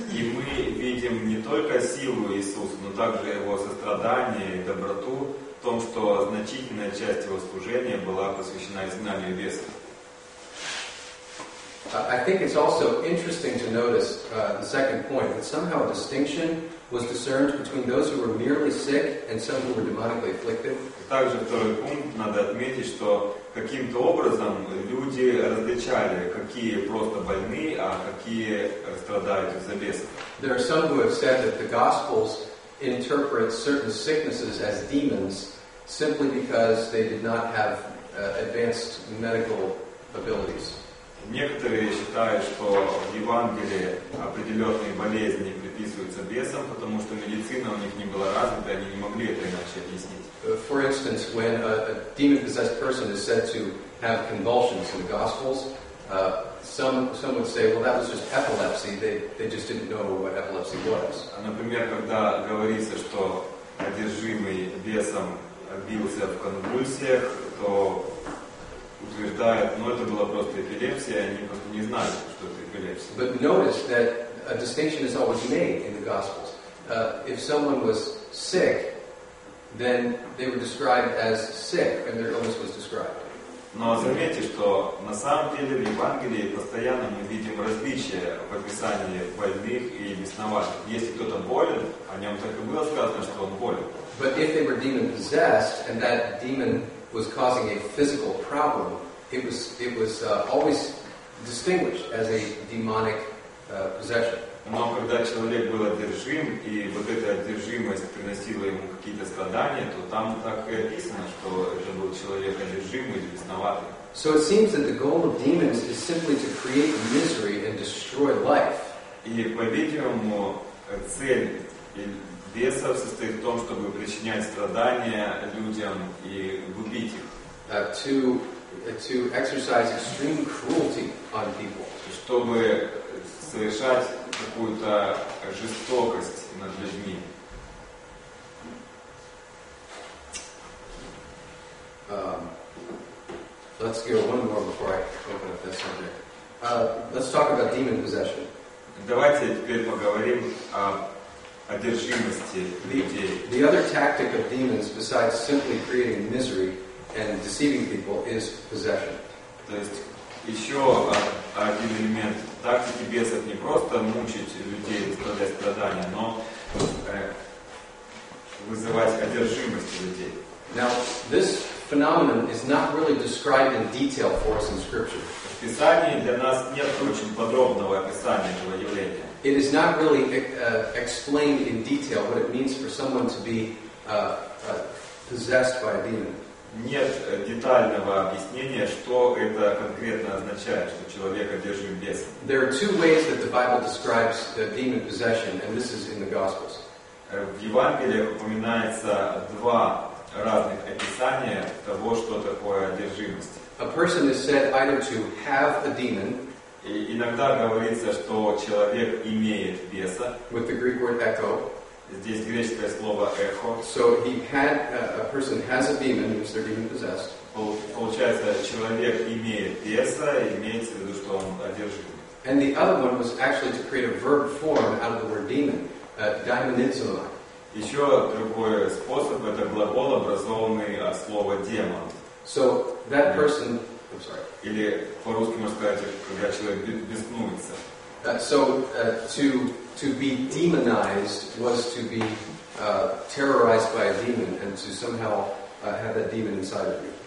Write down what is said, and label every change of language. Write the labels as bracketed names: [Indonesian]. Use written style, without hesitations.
[Russian] И мы видим не только силу Иисуса, но также его сострадание и доброту в том, что значительная часть его служения была посвящена изгнанию бесов. [English] I think it's also interesting to notice the second point, that somehow a distinction was discerned between those who were merely sick and some who were demonically afflicted. [Russian] Также второй пункт, надо отметить, что каким-то образом люди различали, какие просто больны, а какие страдают из-за бесов. [English] There are some who have said that the Gospels interpret certain sicknesses as demons simply because they did not have advanced medical abilities. [Russian] Некоторые считают, что в Евангелии определенные болезни приписываются бесам, потому что медицина у них не была развита, они не могли это иначе объяснить. [English] For instance, when a demon-possessed person is said to have convulsions in the Gospels, some would say, well, that was just epilepsy. They just didn't know what epilepsy was. [Russian] Например, когда говорится, что одержимый бесом бился в конвульсиях, то утверждает, но это была просто эпилепсия, они просто не знали, что это эпилепсия. [English] But notice that a distinction is always made in the Gospels. If someone was sick, then they were described as sick, and their illness was described. [Russian] Но заметьте, что на самом деле в Евангелии постоянно мы видим различия в описании больных и бесноватых. Если кто-то болен, о нем так и было сказано, что он болен. [English] But if they were demon-possessed, and that demon was causing a physical problem, it was always distinguished as a demonic possession. [Russian] Но когда человек был одержим, и вот эта одержимость приносила ему какие-то страдания, то там так и описано, что это был человек одержимый или бесноватый. [English] So it seems that the goal of demons is simply to create misery and destroy life. [Russian] И, по-видимому, цель бесов состоит в том, чтобы причинять страдания людям и губить их. [English] To exercise extreme cruelty on people. [Russian] Чтобы совершать какую-то жестокость над людьми. [English] Let's go one more before I open up this subject. Let's talk about demon possession. [Russian] Давайте теперь поговорим о одержимости людей. [English] The other tactic of demons, besides simply creating misery and deceiving people, is possession. [Russian] То есть еще один элемент тактики бесов не просто мучить людей, доставлять страдания, но вызывать одержимость людей. [English] Now, this phenomenon is not really described in detail for us in Scripture. [Russian] В Писании для нас нет очень подробного описания этого явления. [English] It is not really explained in detail what it means for someone to be possessed by a demon. [Russian] Нет детального объяснения, что это конкретно означает, что человек одержим бесом. [English] There are two ways that the Bible describes the demon possession, and this is in the Gospels. [Russian] В Евангелиях упоминается два разных описания того, что такое одержимость. [English] A person is said either to have a demon. [Russian] И иногда говорится, что человек имеет беса. [English] With the Greek word echo. [Russian] Здесь греческое слово «эхо». [English] So he had a person has a demon, which they're demon possessed. [Russian] Получается, человек имеет беса, имеется в виду, что он одержим. [English] And the other one was actually to create a verb form out of the word demon, daimonizomai. [Russian] Еще другой способ – это глагол, образованный от слова «демон». [English] So that person, I'm sorry. [Russian] Или по-русски можно сказать, когда человек беснуется. [English] So to be demonized was to be terrorized by a demon and to somehow have that demon inside of you.